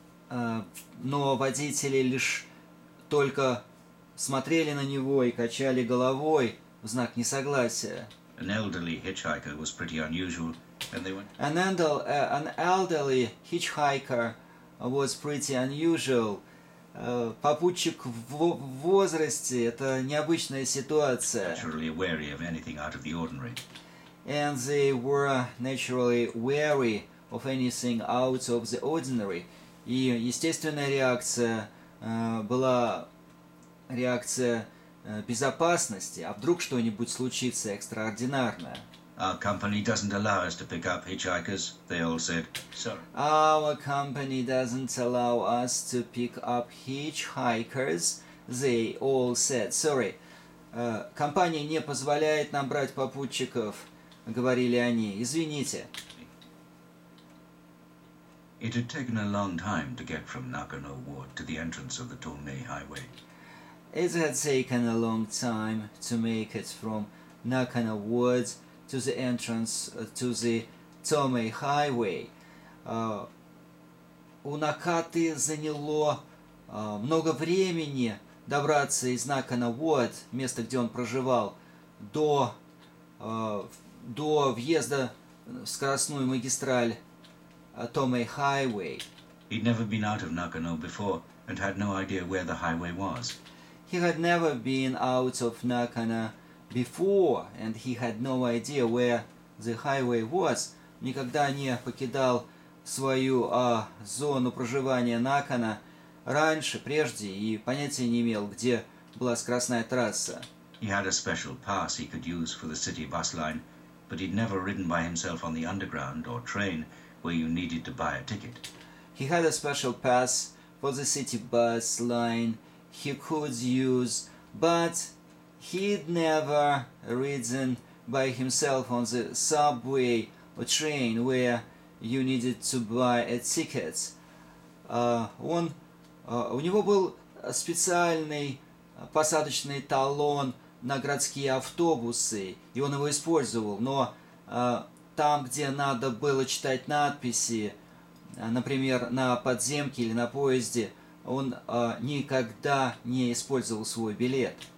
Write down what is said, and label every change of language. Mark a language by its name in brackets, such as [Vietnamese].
[Russian] Но водители лишь только смотрели на него и качали головой в знак несогласия. [English] An elderly hitchhiker was pretty unusual, and they went. An elderly hitchhiker was pretty unusual. [Russian] Попутчик в возрасте – это необычная ситуация. [English] Naturally wary of anything out of the ordinary. And they were naturally wary of anything out of the ordinary. [Russian] И естественная реакция была реакция безопасности. А вдруг что-нибудь случится экстраординарное? [English] Our company doesn't allow us to pick up hitchhikers, they all said. Sorry. Our company doesn't allow us to pick up hitchhikers, they all said. Sorry. [Russian] Компания не позволяет нам брать попутчиков, говорили они. Извините. [English] It had taken a long time to get from Nakano Ward to the entrance of the Tournai Highway. It had taken a long time to make it from Nakano Ward to the entrance to the Tournai Highway. [Russian] У Накаты заняло много времени добраться из Nakano Ward, место, где он проживал, до въезда в скоростную магистраль Tournai Highway. [English] He'd never been out of Nakano before and had no idea where the highway was. He had never been out of Nakano before and he had no idea where the highway was. [Russian] Никогда не покидал свою зону проживания Nakano раньше, прежде, и понятия не имел, где была скоростная трасса. [English] He had a special pass he could use for the city bus line, but he'd never ridden by himself on the underground or train, where you needed to buy a ticket. He had a special pass for the city bus line he could use, but he'd never ridden by himself on the subway or train, where you needed to buy a ticket. [Russian] У него был специальный посадочный талон на городские автобусы, и он его использовал, но там, где надо было читать надписи, например, на подземке или на поезде, он никогда не использовал свой билет.